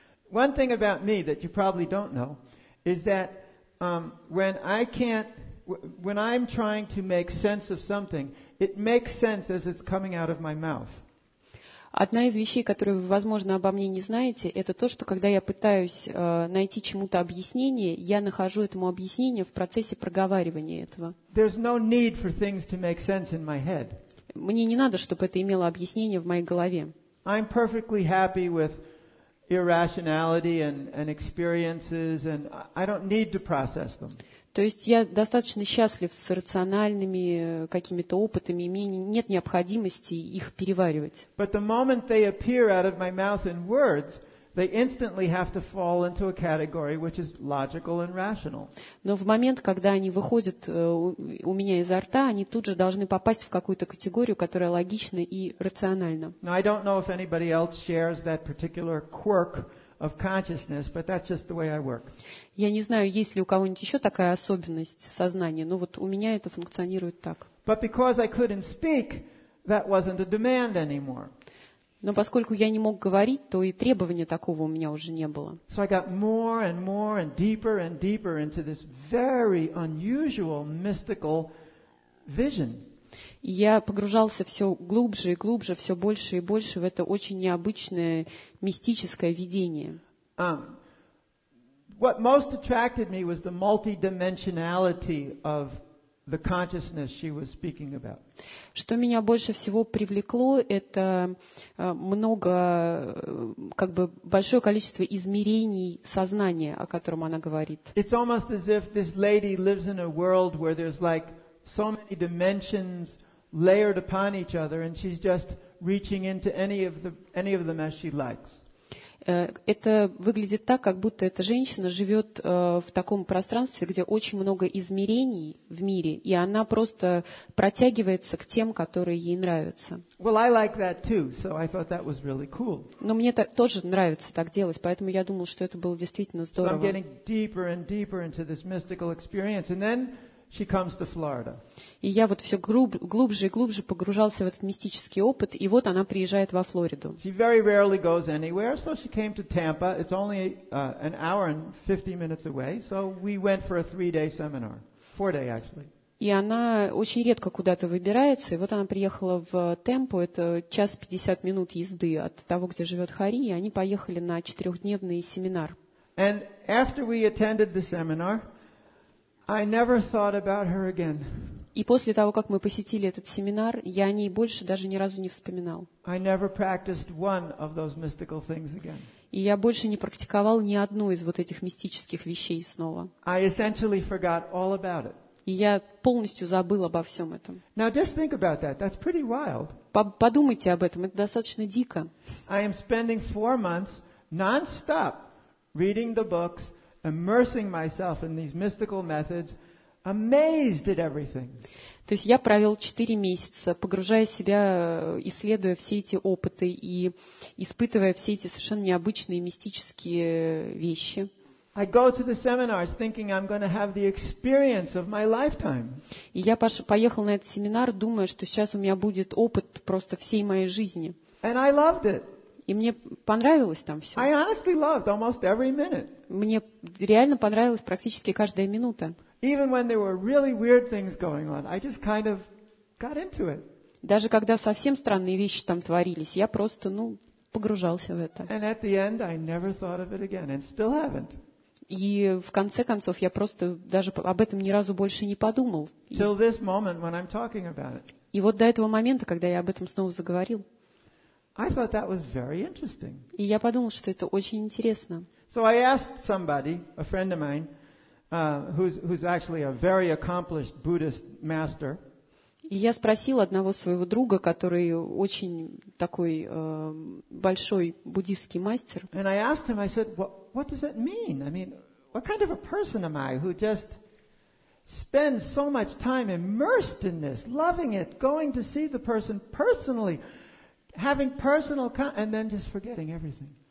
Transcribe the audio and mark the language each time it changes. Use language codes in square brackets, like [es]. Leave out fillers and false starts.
[en] One thing about me that you probably don't know is that when I'm trying to make sense of something, it makes sense as it's coming out of my mouth. [ru] Одна из вещей, которую вы, возможно, обо мне не знаете, это то, что когда я пытаюсь найти чему-то объяснение, я нахожу этому объяснение в процессе проговаривания этого. [en] There's no need for things to make sense in my head. [ru] Мне не надо, чтобы это имело объяснение в моей голове. [en] I'm perfectly happy with irrationality and experiences, and I don't need to process them. [ru] То есть я достаточно счастлив с рациональными какими-то опытами, и мне нет необходимости их переваривать. [en] But the moment they appear out of my mouth in words, they instantly have to fall into a category which is logical and rational. [ru] Но в момент, когда они выходят у меня изо рта, они тут же должны попасть в какую-то категорию, которая логична и рациональна. [en] Now, I don't know if anybody else shares that particular quirk of consciousness, but that's just the way I work. [ru] Я не знаю, есть ли у кого-нибудь еще такая особенность сознания, но вот у меня это функционирует так. [en] But because I couldn't speak, that wasn't a demand anymore. [ru] Но поскольку я не мог говорить, то и требования такого у меня уже не было. [en] So I got more and more and deeper and deeper into this very unusual mystical vision. [ru] Я погружался все глубже и глубже, все больше и больше в это очень необычное мистическое видение. [en] What most attracted me was the multidimensionality of the consciousness she was speaking about. [ru] Что меня больше всего привлекло, это много, как бы большое количество измерений сознания, о котором она говорит. [en] It's almost as if this lady lives in a world where there's like so many dimensions layered upon each other, and she's just reaching into any of them as she likes. [ru] Это выглядит так, как будто эта женщина живет в таком пространстве, где очень много измерений в мире, и она просто протягивается к тем, которые ей нравятся. [en] Well, I like that too, so I thought that was really cool. [ru] Но мне тоже нравится так делать, поэтому я думал, что это было действительно здорово. [en] So I'm getting deeper and deeper into this mystical experience, and then she comes to Florida. [ru] И я вот все глубже и глубже погружался в этот мистический опыт, и вот она приезжает во Флориду. [en] She very rarely goes anywhere, so she came to Tampa. It's only an hour and 50 minutes away, so we went for a 3-day seminar, 4-day actually. [ru] И она очень редко куда-то выбирается, и вот она приехала в Темпу, это 1:50 езды от того, где живет Хари, и они поехали на 4-дневный семинар. [en] And after we attended the seminar, I never thought about her again. [ru] И после того, как мы посетили этот семинар, я о ней больше даже ни разу не вспоминал. [en] I never practiced one of those mystical things again. [ru] И я больше не практиковал ни одну из вот этих мистических вещей снова. [en] I essentially forgot all about it. [ru] И я полностью забыл обо всем этом. [en] Now just think about that. That's pretty wild. [ru] Подумайте об этом. Это достаточно дико. [en] I am spending 4 months non-stop reading the books, immersing myself in these mystical methods, amazed at everything. [ru] То есть я провел 4 месяца, погружая себя, исследуя все эти опыты и испытывая все эти совершенно необычные мистические вещи. [en] I go to the seminars thinking I'm going to have the experience of my lifetime. [ru] И я поехал на этот семинар, думая, что сейчас у меня будет опыт просто всей моей жизни. [en] And I loved it. [ru] И мне понравилось там все. [en] I honestly loved almost every minute. [ru] Мне реально понравилась практически каждая минута. [en] Even when there were really weird things going on, I just kind of got into it. [ru] Даже когда совсем странные вещи там творились, я просто, ну, погружался в это. [en] And at the end, I never thought of it again, and still haven't. [ru] И в конце концов я просто даже об этом ни разу больше не подумал. [en] Till this moment when I'm talking about it. [ru] И вот до этого момента, когда я об этом снова заговорил. [en] I thought that was very interesting. [ru] И я подумал, что это очень интересно. [en] So I asked somebody, a friend of mine, who's actually a very accomplished Buddhist master. [ru] И я спросил одного своего друга, который очень такой большой буддийский мастер. [en] And I asked him, I said, what does that mean? I mean, what kind of a person am I who just spends so much time immersed in this, loving it, going to see the person personally, having personal and then just forgetting everything?